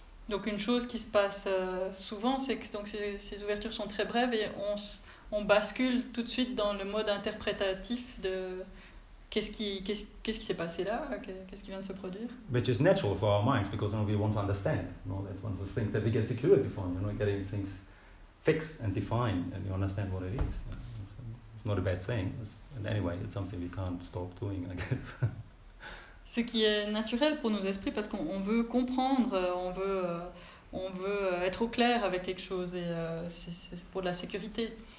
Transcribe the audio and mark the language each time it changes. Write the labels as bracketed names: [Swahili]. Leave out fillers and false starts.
[French] Donc une chose qui se passe souvent, c'est que donc ces ouvertures sont très brèves et on bascule tout de suite dans le mode interprétatif de qu'est-ce qui s'est passé là, qu'est-ce qui vient de se produire. [English] Which is natural for our minds because we want to understand. You know, that's one of the things that we get security from. You know, getting things fixed and defined and you understand what it is. It's not a bad thing. And anyway, it's something we can't stop doing, I guess. [French] Ce qui est naturel pour nos esprits, parce qu'on veut comprendre, on veut être au clair avec quelque chose, et c'est pour de la sécurité.